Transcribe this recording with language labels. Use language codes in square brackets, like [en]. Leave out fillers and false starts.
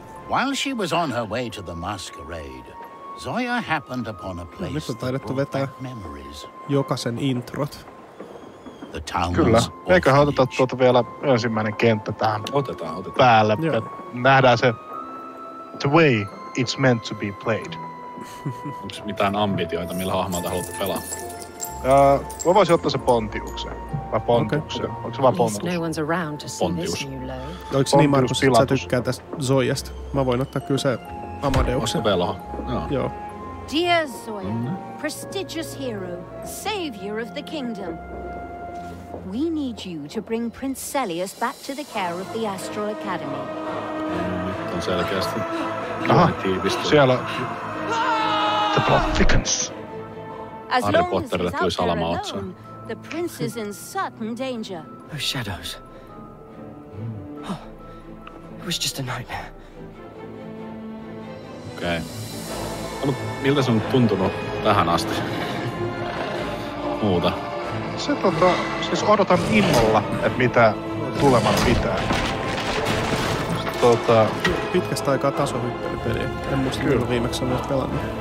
[en] While she was on her way to the masquerade, Zoya happened upon a place that brought back memories. [fi] Nyt on taidettu vetää jokaisen introt. Kyllä. Eiköhän oteta tuota vielä ensimmäinen kenttä tähän otetaan. Päälle. Joo. Nähdään se [en] the way it's meant to be played. [fi] Onks mitään ambitioita, millä hahmolta haluatte pelaa? Mä voisin ottaa se Pontiuksen. Vai Pontiuksen. Okay. Onks se vaan Pontius? Pontius. Oiks niin, Markus, että sä tykkää tästä Zoyasta? Mä voin ottaa kyllä se Amadeuksen. Veloa? Joo. Joo. [en] Dear Zoya, prestigious hero, savior of the kingdom. We need you to bring Prince Celius back to the care of the Astral Academy. [fi] On selkeästi. Aha, siellä on. [en] The plot thickens. [fi] As Harry Potterille tuli salama otsaan. [en] The prince is in certain danger. Those shadows. Oh, it was just a nightmare. [fi] Okei. Okay. No, miltä se on tuntunut tähän asti? Muuta. Se tota, siis odotan innolla, että mitä tuleman pitää. Tota, pitkästä aikaa tasohyppelypeliä. En muista kyllä viimeksi olet pelannut.